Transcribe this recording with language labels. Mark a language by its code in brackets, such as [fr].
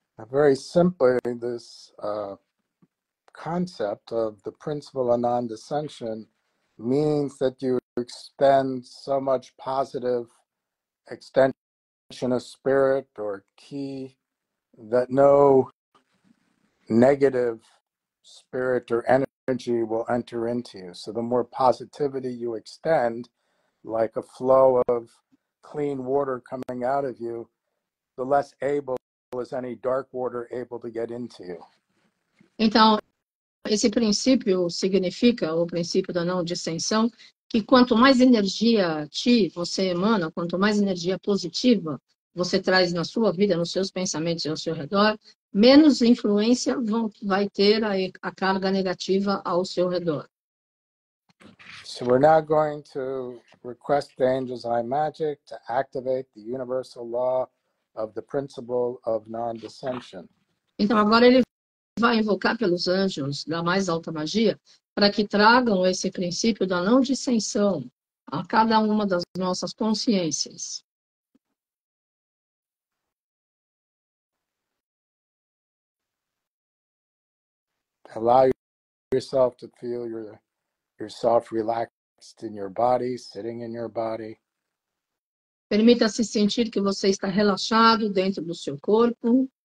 [en] Very simply, this concept of the principle of non-dissension means that you extend so much positive extension of spirit or ki that no negative spirit or energy will enter into you. So the more positivity you extend, like a flow of clean water coming out of you, the less able is any dark water able to get into you. [pt] Então, esse princípio significa, o princípio da não dissensão, que quanto mais energia ti você emana, quanto mais energia positiva você traz na sua vida, nos seus pensamentos e ao seu redor, menos influência vai ter a carga negativa ao seu redor. [en] So we're now going to request the angels eye magic to activate the universal law of the principle of non-dissension. [pt] Então agora ele vai invocar pelos anjos da mais alta magia para que tragam esse princípio da não dissensão a cada uma das nossas consciências. [en] Allow yourself to feel yourself relaxed in your body, sitting in your body. [pt] Permita-se sentir que você está relaxado dentro do seu corpo.